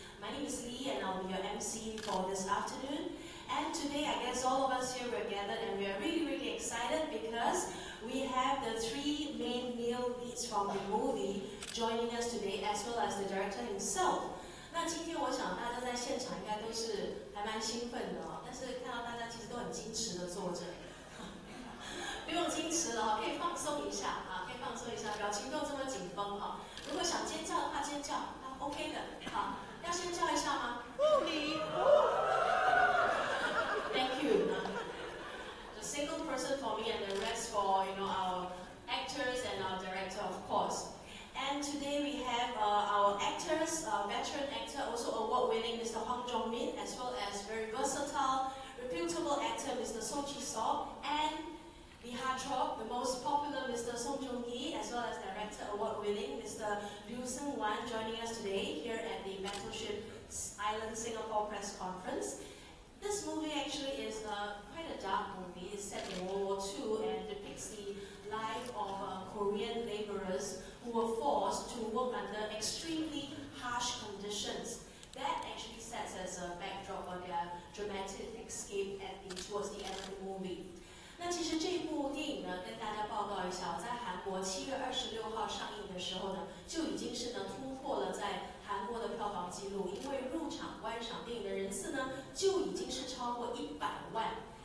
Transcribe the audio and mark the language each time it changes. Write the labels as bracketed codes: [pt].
[en] My name is Lee and I'll be your MC for this afternoon. And today I guess all of us here were gathered and we are really really excited because we have the three main male leads from the movie joining us today as well as the director himself. [zh] 那今天我想大家在现场应该都是还蛮兴奋的，但是看到大家其实都很矜持的坐着。不用矜持了，可以放松一下，可以放松一下，表情不用这么紧绷，如果想尖叫的话尖叫，OK 的，要先叫一下吗？不理。 [en] Thank you. The single person for me and the rest for, you know, our actors and our director, of course. And today we have our actors, veteran actor, also award-winning Mr. Hong Jong-min, as well as very versatile, reputable actor Mr. Song Chi-sok, and... The Hedgehog, the most popular Mr. Song Joong-ki, as well as director award-winning Mr. Liu Seung-wan joining us today here at the Battleship Island Singapore Press Conference. This movie actually is quite a dark movie. It's set in World War II and depicts the life of Korean laborers who were forced to work under extremely harsh conditions. That actually sets as a backdrop for their dramatic escape towards the end of the movie. [zh] 那其实这部电影呢，跟大家报告一下，在韩国7月26号上映的时候呢，就已经是呢突破了在韩国的票房记录，因为入场观赏电影的人次呢，就已经是超过100万。